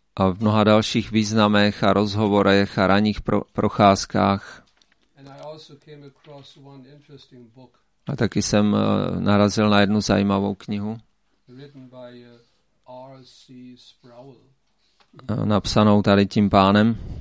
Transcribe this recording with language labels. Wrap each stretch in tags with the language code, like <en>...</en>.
<cs>A v mnoha dalších významech a rozhovorech a ranních procházkách.</cs> <en>And I also came across one interesting book.</en> <cs>A taky jsem narazil na jednu zajímavou knihu.</cs> <en>Written by R.C. Sproul.</en> <cs>Napsanou tady tím pánem.</cs>